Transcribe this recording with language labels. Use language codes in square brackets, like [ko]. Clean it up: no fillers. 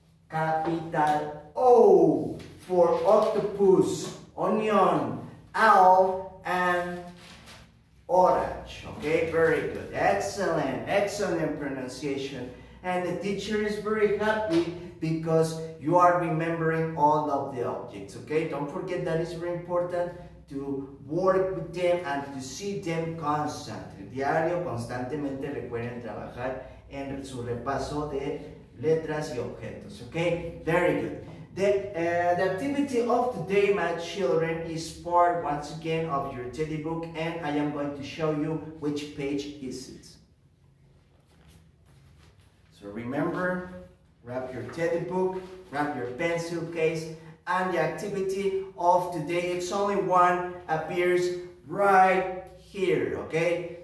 [en] Capital O for octopus, onion, owl, and orange. Okay, very good. Excellent, excellent pronunciation. And the teacher is very happy because you are remembering all of the objects, okay? Don't forget that it's very important to work with them and to see them constantly. [es] Diario, constantemente recuerden trabajar en su repaso de letras y objetos, okay? [en] Very good. The activity of today, my children, is part, once again, of your teddy book, and I am going to show you which page is it. So remember, wrap your teddy book, wrap your pencil case, and the activity of today, it's only one, appears right here, okay?